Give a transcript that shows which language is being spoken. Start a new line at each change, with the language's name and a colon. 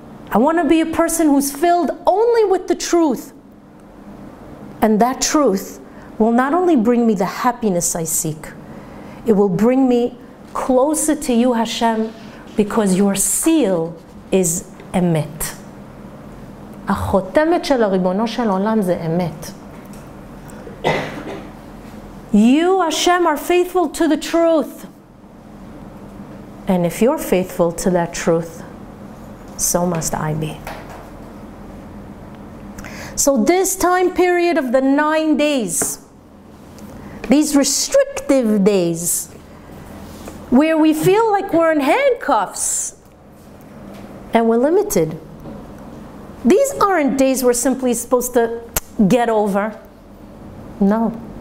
English: I want to be a person who's filled only with the truth. And that truth will not only bring me the happiness I seek, it will bring me closer to you, Hashem, because your seal is emet.
Hebrew: החותמת של הריבונו של עולם זה אמת.
English: You, Hashem, are faithful to the truth. And if you're faithful to that truth, so must I be. So this time period of the 9 days, these restrictive days, where we feel like we're in handcuffs and we're limited, these aren't days we're simply supposed to get over. No.